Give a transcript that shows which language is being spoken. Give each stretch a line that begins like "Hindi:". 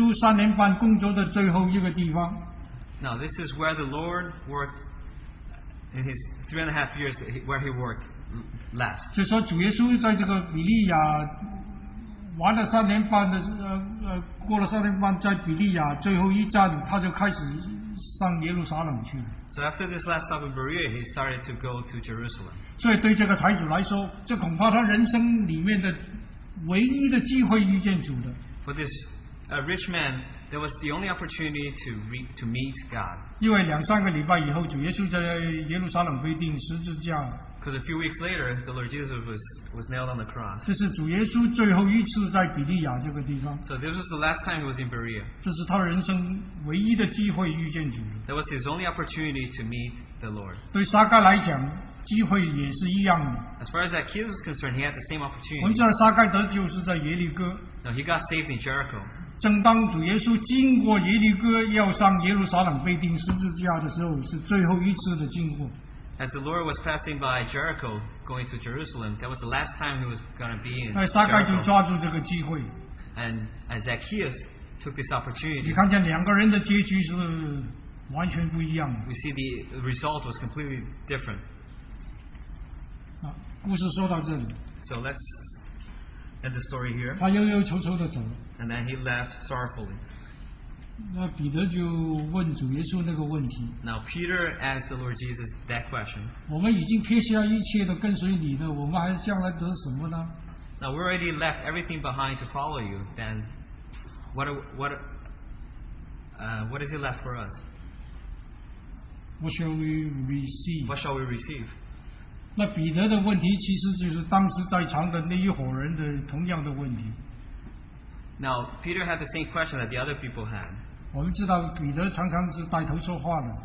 Chinese: 比利亚就是主耶稣三年半工作的最后一个地方。
English: Now this is where the Lord worked in his 3.5 years, where he worked last.
Chinese: 就说主耶稣在这个比利亚玩了三年半的过了三年半在比利亚最后一站他就开始上耶路撒冷去了。
English: So after this last stop in Berea, he started to go to Jerusalem.
Chinese: 所以对这个财主来说, 这恐怕他人生里面的唯一的机会遇见主的。
English: For this rich man, there was the only opportunity to meet God.
Chinese: 因为两三个礼拜以后, 主耶稣在耶路撒冷被钉十字架。
English: Because a few weeks later, the Lord Jesus was nailed on the cross.
Chinese: 这是主耶稣最后一次在比利亚这个地方。
English: So this was the last time he was in Berea.
Chinese: 这是他人生唯一的机会遇见主。
English: That was his only opportunity to meet the Lord.
Chinese: 对沙该来讲, 机会也是一样的。
English: As far as Zacchaeus is concerned, he had the same opportunity.
Chinese: 我们知道沙该得救是在耶利哥。
English: No, he got saved in Jericho.
Chinese: 正当主耶稣经过耶利哥要上耶路撒冷被钉十字架的时候，是最后一次的经过。
English: As the Lord was passing by Jericho, going to Jerusalem, that was the last time he was going to be in Jericho.
Chinese: 但沙该就抓住这个机会。
English: And Zacchaeus took this opportunity.
Chinese: 你看见两个人的结局是完全不一样的。
English: We see the result was completely different.
Chinese: 故事说到这里。
English: So let's end the story here.
Chinese: 他悠悠愁愁地走。
English: And then he left sorrowfully.
Chinese: 那彼得就问主耶稣那个问题。
English: Now Peter asked the Lord Jesus that question.
Chinese: 我们已经撇下一切的跟随你了, 我们还将来得什么呢?
English: Now we already left everything behind to follow you, then what is it left for us? What shall we receive? What shall we receive?
Chinese: 那彼得的问题其实就是当时在场的那一伙人的同样的问题。
English: Now Peter had the same question that the other people had.
Chinese: 我们知道彼得常常是带头说话的。